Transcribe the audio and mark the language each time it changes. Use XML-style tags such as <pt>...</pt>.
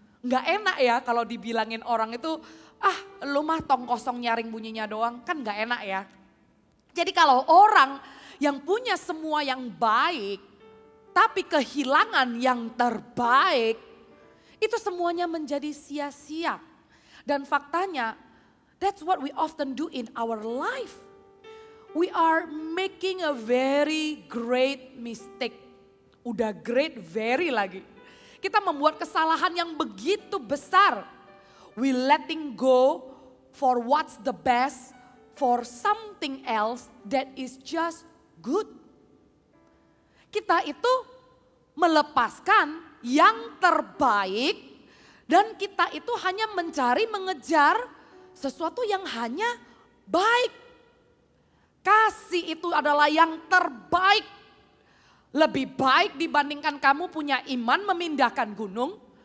<id>Gak enak ya kalau dibilangin orang itu, ah lu mah tong kosong nyaring bunyinya doang, kan gak enak ya. Jadi kalau orang yang punya semua yang baik, tapi kehilangan yang terbaik, itu semuanya menjadi sia-sia. Dan faktanya,</id> <en>that's what we often do in our life. We are making a very great mistake.</en> <id>Udah great, very lagi. Kita membuat kesalahan yang begitu besar.</id> <en>We letting go for what's the best for something else that is just good.</en> <id>Kita itu melepaskan yang terbaik dan kita itu hanya mencari, mengejar sesuatu yang hanya baik. Kasih itu adalah yang terbaik. Lebih baik dibandingkan kamu punya iman memindahkan gunung.</id>